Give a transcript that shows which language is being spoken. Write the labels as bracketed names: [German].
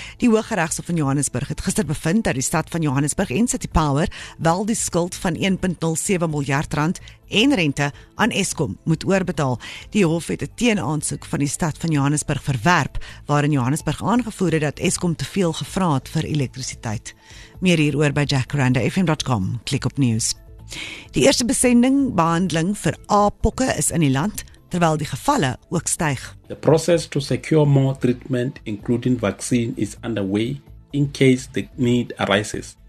[Afrikaans] Die Hooggeregshof van Johannesburg het gister bevind dat die stad van Johannesburg en City Power wel die skuld van 1.07 miljard rand en rente aan Eskom moet oorbetaal. Die hof het 'n teenaansoek van die stad van Johannesburg verwerp waarin Johannesburg aangevoer het dat Eskom te veel gevra het vir elektrisiteit. Meer hieroor by jackaranda.fm.com. Klik op nuus. Die eerste besending behandeling vir aapokke is in die land, terwyl die gevalle ook styg. [English] The process to secure more treatment, including vaccine, is underway in case the need arises.